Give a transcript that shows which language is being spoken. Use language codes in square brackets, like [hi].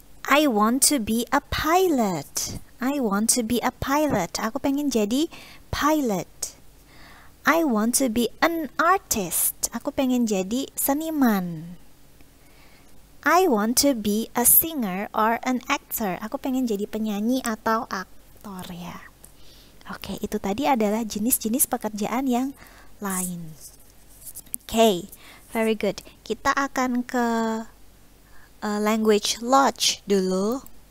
[en] I want to be a pilot. I want to be a pilot. [id] Aku pengen jadi pilot. [en] I want to be an artist. [id] Aku pengen jadi seniman. [en] I want to be a singer or an actor. [id] Aku pengen jadi penyanyi atau aktor ya. Oke, itu tadi adalah jenis-jenis pekerjaan yang lain. Oke, [en] very good. [id] Kita akan ke language lodge dulu.